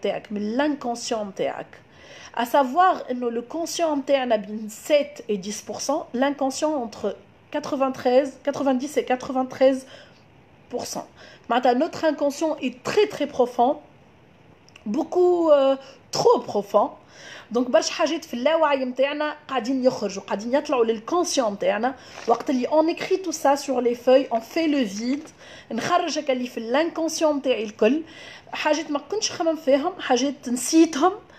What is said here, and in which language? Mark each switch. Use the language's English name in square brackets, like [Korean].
[French] L'inconscient. À savoir, le conscient interne a bien 7 et 10%, l'inconscient entre 93, 90 et 93%. Maintenant, notre inconscient est très très profond. Beaucoup trop profond. [Arabic] Donc, برشا حاجات في اللاوعي نتاعنا قاعدين يخرجوا, قاعدين يطلعوا للكونسيون نتاعنا. وقت اللي [French] on écrit tout ça sur les feuilles, on fait le vide. [Arabic] نخرج هكا اللي في الانكونسيون نتاعي الكل. حاجات ما كنتش خمم فيهم, حاجات نسيتهم.